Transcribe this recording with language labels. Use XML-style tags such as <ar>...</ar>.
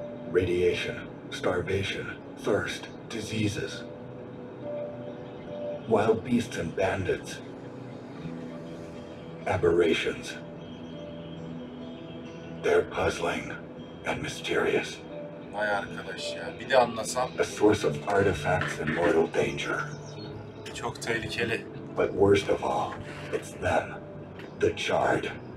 <en>Radiation, starvation, thirst, diseases. Wild beasts and bandits. Aberrations. They're puzzling and mysterious.</en> <tr>Vay arkadaş ya, bir de anlasam.</tr> <en>A source of artifacts and mortal danger.</en> <tr>Çok tehlikeli.</tr> <en>But worst of all, it's them, the charred.</en>